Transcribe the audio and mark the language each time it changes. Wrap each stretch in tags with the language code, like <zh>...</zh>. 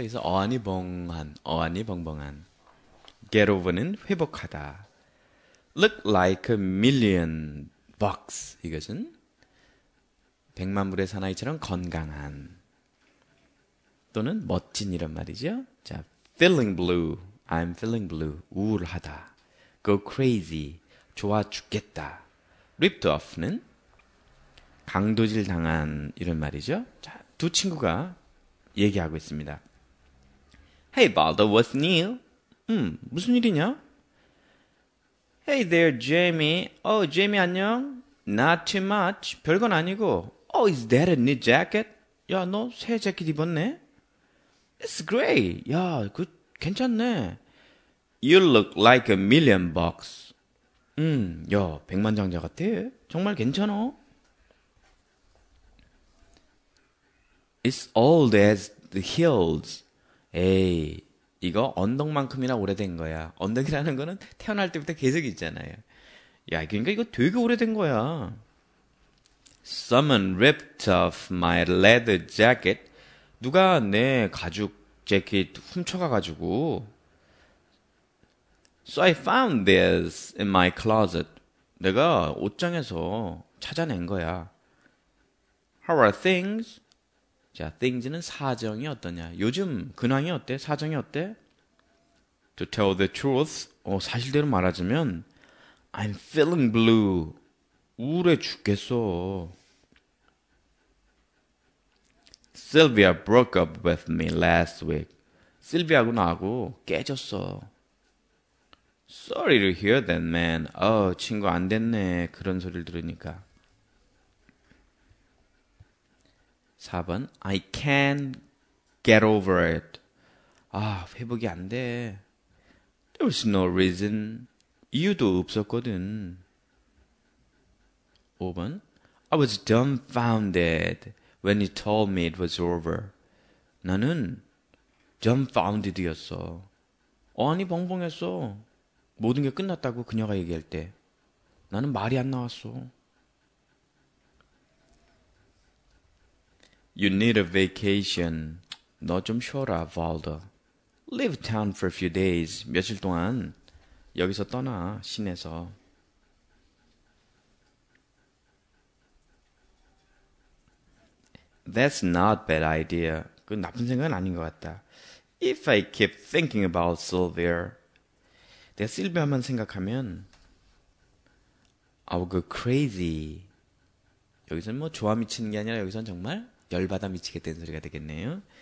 <ko>그래서 어안이 벙한, 어안이 벙벙한. get over는 회복하다.</ko> <en>look like a million bucks</en> <ko>이것은 백만불의 사나이처럼 건강한 또는 멋진 이런 말이죠.</ko> <en>자, feeling blue, I'm feeling blue, 우울하다. go crazy,</en> <ko>좋아 죽겠다. ripped off는 강도질 당한 이런 말이죠. 자, 두 친구가 얘기하고 있습니다.</ko> <en>Hey, Baldo, what's new?</en> <ko>무슨 일이냐?</ko> <en>Hey there, Jamie. Oh, Jamie,</en> <ko>안녕?</ko> <en>Not too much.</en> <ko>별건 아니고.</ko> <en>Oh, is that a new jacket?</en> <ko>야, 너 새 재킷 입었네?</ko> <en>It's great.</en> <ko>야, 그 괜찮네.</ko> <en>You look like a million bucks.</en> <ko>야, 백만장자 같아. 정말 괜찮아.</ko> <en>It's old as the hills.</en> <ko>에이, 이거 언덕만큼이나 오래된 거야. 언덕이라는 거는 태어날 때부터 계속 있잖아요. 야, 그러니까 이거 되게 오래된 거야.</ko> <en>Someone ripped off my leather jacket.</en> <ko>누가 내 가죽 재킷 훔쳐가가지고.</ko> <en>So I found this in my closet.</en> <ko>내가 옷장에서 찾아낸 거야.</ko> <en>How are things?</en> <ko>자, things는 사정이 어떠냐. 요즘 근황이 어때? 사정이 어때?</ko> <en>To tell the truth,</en> <ko>사실대로 말하자면</ko> <en>I'm feeling blue.</en> <ko>우울해 죽겠어.</ko> <en>Sylvia broke up with me last week.</en> <ko>실비아하고 나하고 깨졌어.</ko> <en>Sorry to hear that, man.</en> <ko>친구 안 됐네. 그런 소리를 들으니까.</ko> <en>4번, I can't get over it.</en> <ko>아, 회복이 안 돼.</ko> <en>There was no reason.</en> <ko>이유도 없었거든.</ko> <en>5번, I was dumbfounded when he told me it was over.</en> <ko>나는 dumbfounded였어. 어안이 벙벙했어. 모든 게 끝났다고 그녀가 얘기할 때. 나는 말이 안 나왔어.</ko> <en>You need a vacation.</en> <ko>너 좀 쉬어라, Valda.</ko> <en>Leave town for a few days.</en> <ko>며칠 동안 여기서 떠나, 시내에서.</ko> <en>That's not a bad idea.</en> <ko>그 나쁜 생각은 아닌 것 같다.</ko> <en>If I keep thinking about Sylvia.</en> <ko>내가 실비아만 생각하면</ko> <en>I'll go crazy.</en> <ko>여기서는 뭐 좋아 미치는 게 아니라 여기서는 정말 열받아 미치게 된 소리가 되겠네요.</ko>